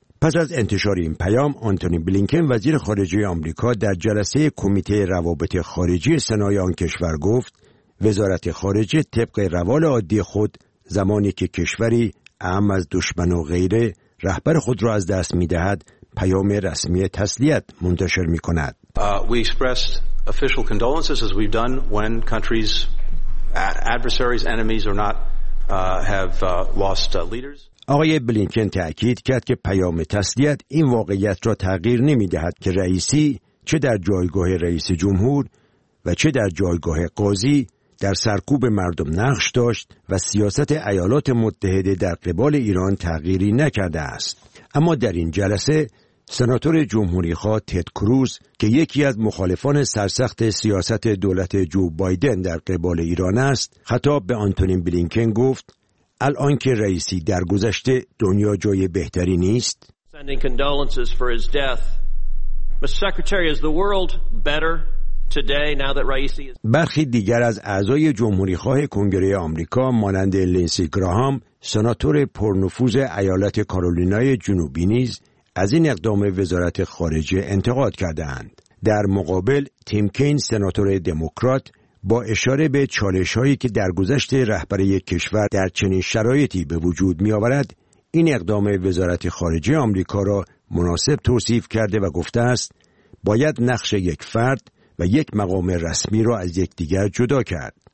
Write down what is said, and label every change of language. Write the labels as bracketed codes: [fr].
[fa] پس از انتشار این پیام، آنتونی بلینکن وزیر خارجه آمریکا در جلسه کمیته روابط خارجی سنای آن کشور گفت: وزارت خارجه طبق روال عادی خود زمانی که کشوری اهم از دشمن و غیره رهبر خود را از دست می‌دهد، پیام رسمی تسلیت منتشر می‌کند. [en] We expressed official condolences as we've done when countries adversaries enemies or not have lost leaders. [fa] آقای بلینکن تأکید کرد که پیام تسلیت این واقعیت را تغییر نمی‌دهد که رئیسی چه در جایگاه رئیس جمهور و چه در جایگاه قاضی در سرکوب مردم نقش داشت و سیاست ایالات متحده در قبال ایران تغییری نکرده است. اما در این جلسه سناتور جمهوری خواه تد کروز که یکی از مخالفان سرسخت سیاست دولت جو بایدن در قبال ایران است، خطاب به آنتونی بلینکن گفت: الان که رئیسی درگذشته، دنیا جای بهتری نیست؟ [en] Sending condolences for his death. Mr. Secretary, is the world better today now that Raisi is... [fa] برخی دیگر از اعضای جمهوری خواه کنگره آمریکا مانند لینسی گراهام، سناتور پرنفوذ ایالت کارولینای جنوبی نیز از این اقدام وزارت خارجه انتقاد کردند. در مقابل تیم کین سناتور دموکرات با اشاره به چالش‌هایی که در گذشت رهبر یک کشور در چنین شرایطی به وجود می‌آورد، این اقدام وزارت خارجه آمریکا را مناسب توصیف کرده و گفته است: باید نقش یک فرد و یک مقام رسمی را از یکدیگر جدا کرد.